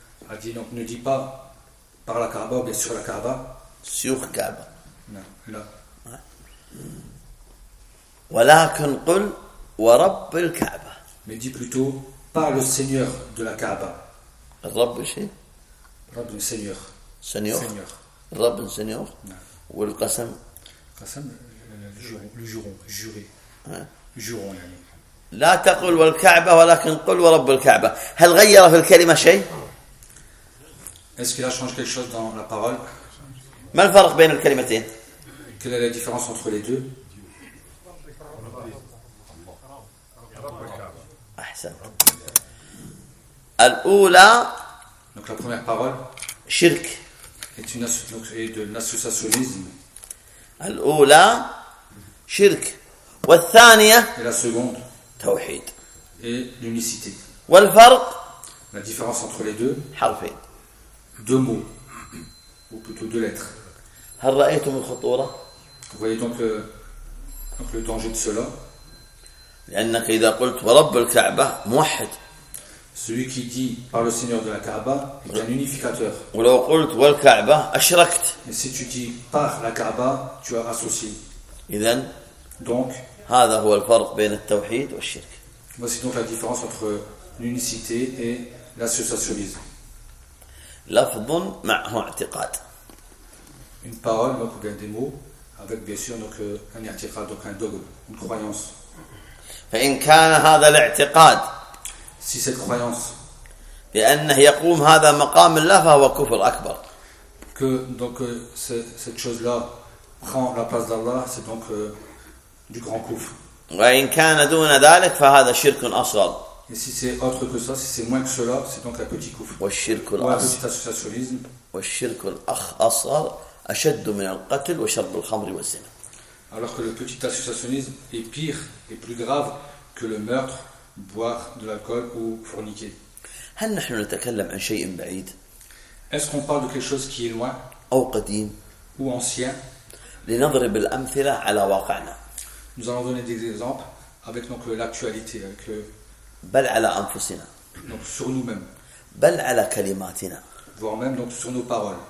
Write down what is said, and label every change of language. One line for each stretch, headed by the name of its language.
French: a dit donc ne dis pas par la Kaaba ou bien sur la Kaaba sur Kaaba non là
Arabic: ولكن قل ورب الكعبة
French: mais dis plutôt par le Seigneur de la Kaaba
Arabic: الرب شيء رب Seigneur
French: Seigneur رب Seigneur
Arabic: والقسم قسم الجرون جوري جرون يعني لا تقل والكعبة ولكن قل ورب الكعبة هل غير في الكلمة شيء؟
French: Est-ce qu'il a changé quelque chose dans la parole؟
Arabic: ما الفرق بين الكلمتين؟
French: Quelle est la différence entre les deux؟
Arabic: أحسن الأولى
French: donc la première parole
Arabic: شرك
French: est une donc est de l'associationnisme
Arabic: الأولى شرك والثانية
French: et la seconde
Arabic: توحيد
French: et l'unicité
Arabic: والفرق
French: la différence entre les deux
Arabic: حرفين
French: deux mots ou plutôt deux lettres
Arabic: هل رأيتم الخطورة
French: vous voyez donc, donc le danger de cela
Arabic: لأنك إذا قلت ورب الكعبة موحد
French: Celui qui dit par le Seigneur de la Kaaba est un unificateur.
Arabic: ولو قلت والكعبة أشركت.
French: Et si tu dis par la Kaaba, tu as associé.
Arabic: إذن.
French: Donc.
Arabic: هذا هو الفرق بين التوحيد والشرك.
French: Voici donc la différence entre l'unicité et l'associationnisme.
Arabic: لفظ معه اعتقاد.
French: Une parole donc ou bien des mots avec bien sûr donc un اعتقاد donc un dogme une croyance.
Arabic: فإن كان هذا الاعتقاد.
French: Si cette croyance
Arabic: بأنه يقوم هذا مقام الله فهو كفر أكبر.
French: Que donc cette chose là prend la place d'Allah c'est donc du grand kufr.
Arabic: وإن كان دون ذلك فهذا شرك أصغر.
French: Et si c'est autre que ça, si c'est moins que cela, c'est donc un petit kufr.
Arabic: والشرك الأصغر. والشرك الأصغر أشد من القتل وشرب الخمر والزنا.
French: Alors que le petit associationnisme est pire et plus grave que le meurtre. Boire de l'alcool ou forniquer.
Arabic: هل نحن نتكلم عن شيء بعيد؟
French: Est-ce qu'on parle de quelque chose qui est loin
Arabic: أو قديم
French: ou ancien؟
Arabic: لنضرب الأمثلة على واقعنا.
French: Nous allons donner des exemples avec donc l'actualité avec
Arabic: بل على أنفسنا.
French: Donc sur nous-mêmes.
Arabic: بل على كلماتنا.
French: Voire même donc sur nos paroles.